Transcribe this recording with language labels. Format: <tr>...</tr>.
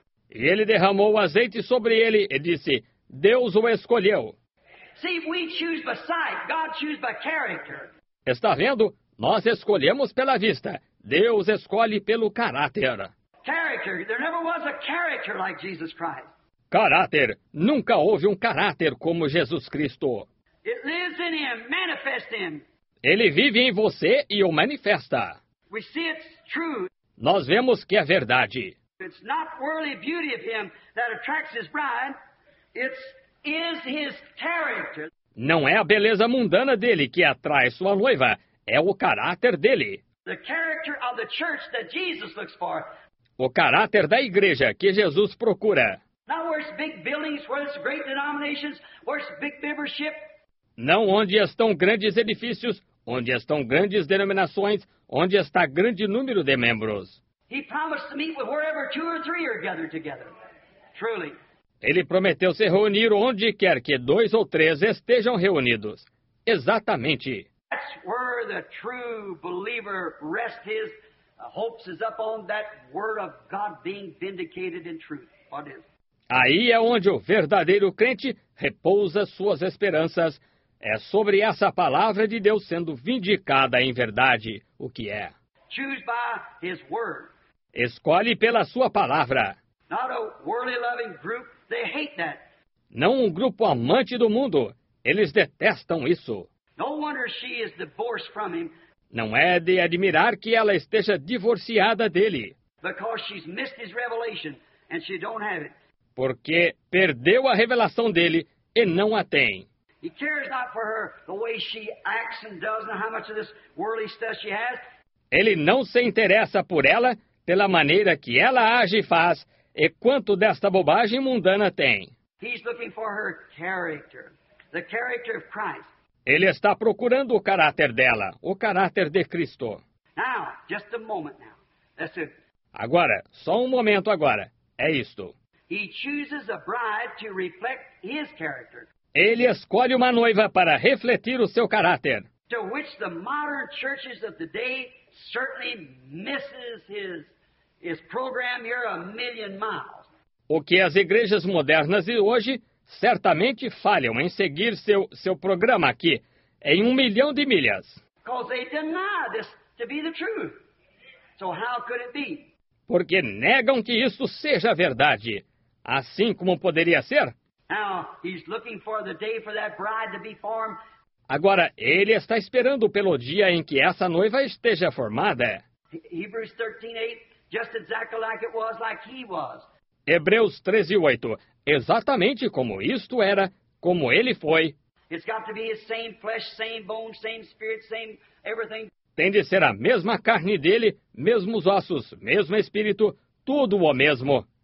<pt>E ele derramou o azeite sobre ele e disse, Deus o escolheu.</pt> <en>See, we choose by sight, God chooses by character.</en> <pt>Está vendo? Nós escolhemos pela vista. Deus escolhe pelo caráter.</pt> <en>Character. There never was a character like Jesus Christ.</en> <pt>Caráter. Nunca houve um caráter como Jesus Cristo.</pt> <en>It lives in him, manifests him.</en> <pt>Ele vive em você e o manifesta.</pt> <en>We see it's true.</en> <pt>Nós vemos que é verdade.</pt> <en>It's not worldly beauty of him that attracts his bride. Is his character.</en> <pt>Não é a beleza mundana dele que atrai sua noiva, é o caráter dele.</pt> <en>The character of the church that Jesus looks for.</en> <pt>O caráter da igreja que Jesus procura.</pt> <en>Not where it's big buildings, where it's great denominations, where it's big membership.</en> <pt>Não onde estão grandes edifícios, onde estão grandes denominações, onde está grande número de membros.</pt> <en>He promised to meet with wherever two or three are gathered together. Truly.</en> <pt>Ele prometeu se reunir onde quer que dois ou três estejam reunidos. Exatamente.</pt> <en>That's where the true believer rests his hopes is up on that word of God being vindicated in truth. What is?</en> <pt>Aí é onde o verdadeiro crente repousa suas esperanças. É sobre essa palavra de Deus sendo vindicada em verdade, o que é.</pt> <en>Choose by his word.</en> <pt>Escolhe pela sua palavra.</pt> <en>Not a worldly loving group. They hate that.</en> <pt>Não um grupo amante do mundo. Eles detestam isso.</pt> <en>No wonder she is divorced from him.</en> <pt>Não é de admirar que ela esteja divorciada dele.</pt> <en>Because she's missed his revelation and she don't have it.</en> <pt>Porque perdeu a revelação dele e não a tem.</pt> <en>He cares not for her the way she acts and does and how much of this worldly stuff she has.</en> <pt>Ele não se interessa por ela pela maneira que ela age e faz. E quanto desta bobagem mundana tem?</pt> <en>He's looking for her character, the character of Christ.</en> <pt>Ele está procurando o caráter dela, o caráter de Cristo.</pt> <en>Now, just a moment now. That's it.</en> <pt>Agora, só um momento agora. É isto.</pt> <en>He chooses a bride to reflect his character.</en> <pt>Ele escolhe uma noiva para refletir o seu caráter.</pt> <en>To which the modern churches of the day certainly misses his. Is program here a million miles.</en> <pt>O que as igrejas modernas de hoje certamente falham em seguir seu programa aqui em 1 milhão de milhas.</pt> <en>Because they deny this to be the truth. So how could it be?</en> <pt>Porque negam que isso seja verdade. Assim como poderia ser?</pt> <en>Now he's looking for the day for that bride to be formed.</en> <pt>Agora ele está esperando pelo dia em que essa noiva esteja formada.</pt> <en>Hebrews 13:8. Just exactly like it was, like he was.</en> <pt>Hebreus 13:8. Exatamente como isto era, como ele foi.</pt> <en>It's got to be his same flesh, same bone, same spirit, same everything.</en> <pt>Tem de ser a mesma carne dele, mesmos ossos, mesmo espírito, tudo o mesmo.</pt>